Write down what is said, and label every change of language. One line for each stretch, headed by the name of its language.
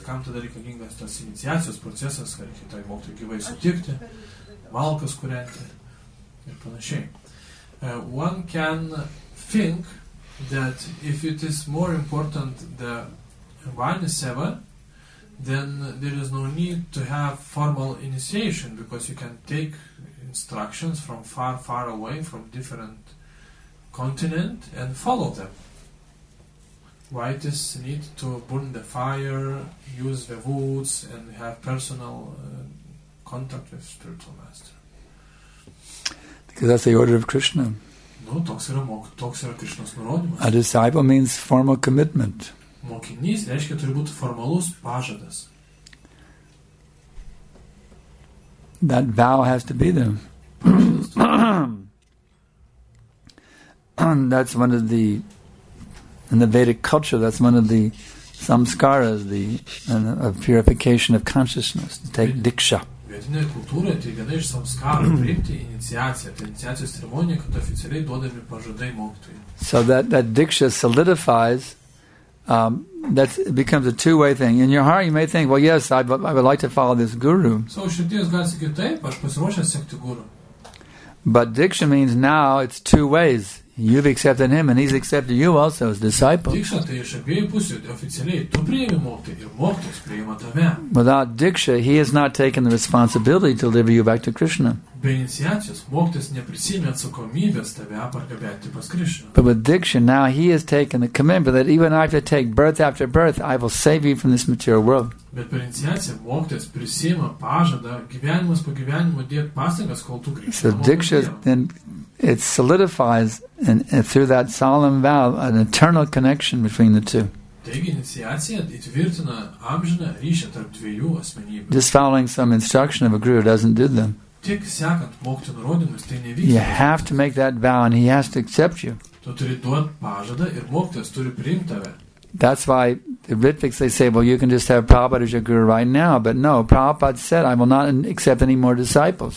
Lithuanian: Kam tada reikalingas tas iniciacijos procesas, kad kitai mokytojai gyvai sutikti. Malkas kurenti ir panašiai.
English: One can think that if it is more important the Vanisava, then there is no need to have formal initiation, because you can take instructions from far, far away, from different continent, and follow them. Why it is need to burn the fire, use the woods, and have personal contact with spiritual master? Because that's the order of Krishna.
Lithuanian: Nu, toks yra Krishnos nurodymas.
English: A disciple means formal commitment.
Lithuanian: Mokinys reiškia turi būti formalus pažadas.
English: That vow has to be there. And that's one of the, in the Vedic culture, that's one of the samskaras, the of purification of consciousness, to take diksha.
Lithuanian: Vedinėje kultūroje tai viena iš samskarų priimti iniciaciją, tai iniciacijos ceremonija, kad oficialiai duodami pažadai mokytojai.
English: So that diksha solidifies, that becomes a two-way thing. In your heart you may think, well yes, I would like to follow this guru.
Lithuanian: So širdies gali sakyti taip, aš pasiruošęs sekti guru.
English: But diksha means now it's two ways. You've accepted him and he's accepted you also as disciple.
Lithuanian: Diksha tai iš abiejų pusių, oficialiai tu priimi mokti ir mokytojas priima tave.
English: Without diksha, he has not taken the responsibility to deliver you back to Krishna.
Lithuanian: Be iniciacijos, mokytojas neprisimė atsakomybės tave pargabenti pas Krishna.
English: But with diksha, now he has taken the commitment that even if I take birth after birth, I will save you from this material world.
Lithuanian: Bet per iniciaciją mokytojas prisima pažadą gyvenimas po gyvenimo dėti pastangas, kol tu grįžti.
English: So diksha then it solidifies and through that solemn vow an eternal connection between the two.
Lithuanian: Taigi iniciacija įtvirtina amžiną ryšį tarp dviejų asmenybių.
English: Just following some instruction of a guru doesn't do them.
Lithuanian: Tik sekant mokyto nurodymus, tai nevyksta.
English: You have to make that vow and he has to accept you.
Lithuanian: Tu turi duoti pažadą ir mokytojas turi priimti tave.
English: That's why the Ritviks, they say, well, you can just have Prabhupada as your guru right now. But no, Prabhupada said, I will not accept any more disciples.